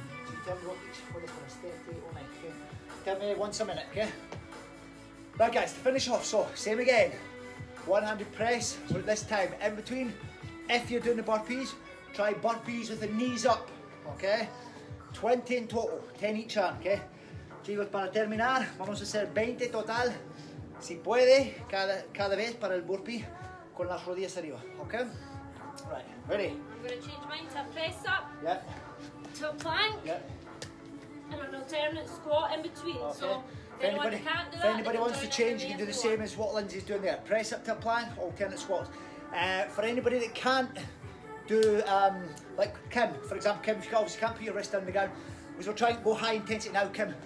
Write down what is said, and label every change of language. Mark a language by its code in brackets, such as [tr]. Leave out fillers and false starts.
[en] Can you tell me what each one is going to stay at 8:09? Tell me once a minute, okay? Right guys, to finish off, so same again. One-handed press, but this time in between, if you're doing the burpees, try burpees with the knees up, okay? 20 in total, 10 each arm, okay? [es] Chicos, para terminar, vamos a hacer 20 total, si puede, cada vez para el burpee, con las rodillas arriba, okay? [en] Right, ready? I'm going to change mine to a press up. Yeah. To a plank. Yeah. And an alternate squat in between. Okay. So if anybody wants to change, you can do the same as what Lindsay's doing there. Press up to a plank, alternate squats. For anybody that can't do, like Kim, for example, Kim, if you obviously can't put your wrist on the ground, we're trying to go high intensity now, Kim.